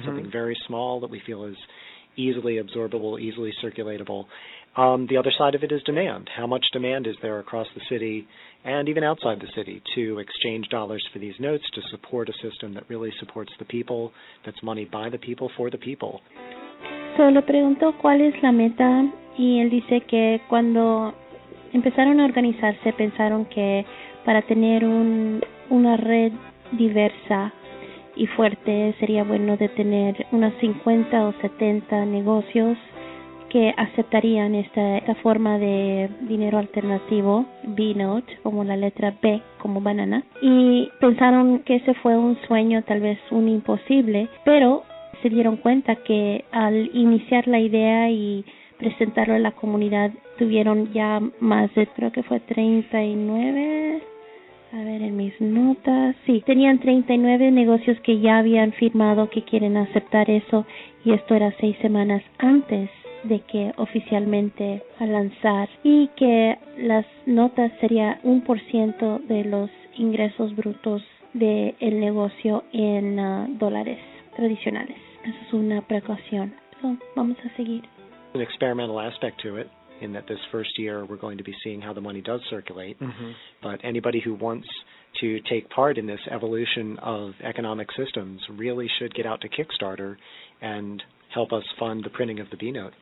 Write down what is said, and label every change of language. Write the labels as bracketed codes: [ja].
[en] something very small that we feel is easily absorbable, easily circulatable. The other side of it is demand. How much demand is there across the city and even outside the city to exchange dollars for these notes, to support a system that really supports the people, that's money by the people for the people? [es] So le pregunto cuál es la meta, y él dice que cuando empezaron a organizarse pensaron que para tener una red diversa y fuerte sería bueno de tener unos 50 o 70 negocios que aceptarían esta forma de dinero alternativo, B-Note, como la letra B, como banana. Y pensaron que ese fue un sueño, tal vez un imposible, pero se dieron cuenta que al iniciar la idea y presentarlo a la comunidad, tuvieron ya más de, creo que fue 39, a ver en mis notas, sí, tenían 39 negocios que ya habían firmado que quieren aceptar eso, y esto era 6 semanas antes de que oficialmente a lanzar, y que las notas sería 1% de los ingresos brutos del negocio en dólares tradicionales. Eso es una precaución. So, vamos a seguir. [en] An experimental aspect to it, in that this first year we're going to be seeing how the money does circulate. Mm-hmm. But anybody who wants to take part in this evolution of economic systems really should get out to Kickstarter and help us fund the printing of the B-Note.